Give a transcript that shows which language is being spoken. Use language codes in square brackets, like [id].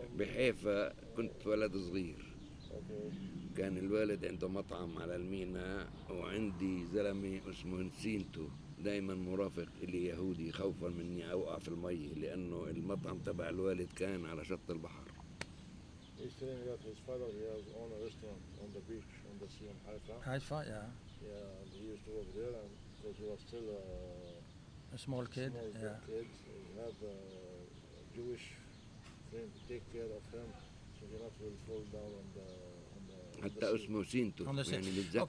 [ar] بحيفا كنت ولد صغير كان الوالد عنده مطعم على الميناء وعندي زلمي اسمه نسينتو دائما مرافق اللي يهودي خوفا مني اوقع في المي لانه المطعم تبع الوالد كان على شط البحر [en] He's telling me that his father, he has own a restaurant on the beach, on the sea in Haifa. Haifa, yeah. Yeah, and he used to work there and because he was still a small kid. He had a Jewish friend to take care of him so he not will fall down on the... [ar] حتى اسمه سينتو يعني متذكر